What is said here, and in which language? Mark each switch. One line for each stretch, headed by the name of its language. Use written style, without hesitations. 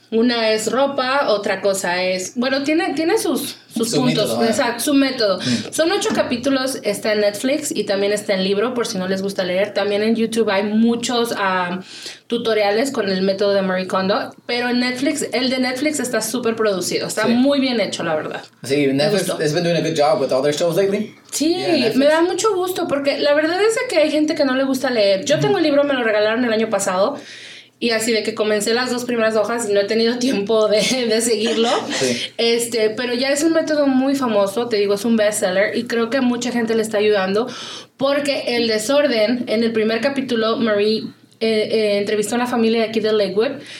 Spanish: una es ropa, otra cosa es, bueno, tiene sus puntos, su método, exacto, su método. Son 8 capítulos, está en Netflix y también está en libro por si no les gusta leer. También en YouTube hay muchos tutoriales con el método de Marie Kondo, pero en Netflix, el de Netflix está súper producido, está muy bien hecho, la verdad. Sí,
English: Netflix has been doing a good job with all their shows lately.
Spanish: Sí,
English: yeah,
Spanish: me da mucho gusto porque la verdad es que hay gente que no le gusta leer. Yo tengo el libro, me lo regalaron el año pasado. Y así de que comencé las 2 primeras hojas y no he tenido tiempo de seguirlo. Pero ya es un método muy famoso, te digo, es un bestseller. Y creo que mucha gente le está ayudando porque el desorden, en el primer capítulo, Marie entrevistó a una familia de aquí de Lakewood.